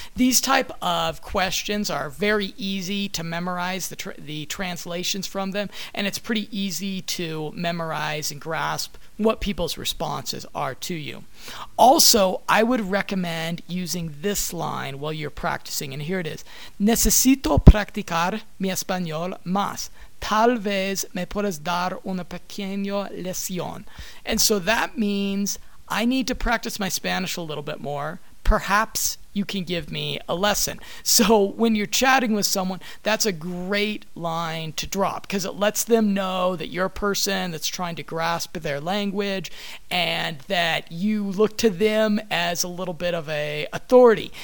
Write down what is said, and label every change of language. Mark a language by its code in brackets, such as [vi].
[en] These type of questions are very easy to memorize the translations from them, and it's pretty easy to memorize and grasp what people's responses are to you. Also, I would recommend using this line while you're practicing, and here it is. [es] Necesito practicar mi español más. Tal vez me puedes dar una pequeña lección. [en] And so that means I need to practice my Spanish a little bit more. Perhaps you can give me a lesson. So when you're chatting with someone, that's a great line to drop because it lets them know that you're a person that's trying to grasp their language and that you look to them as a little bit of a authority.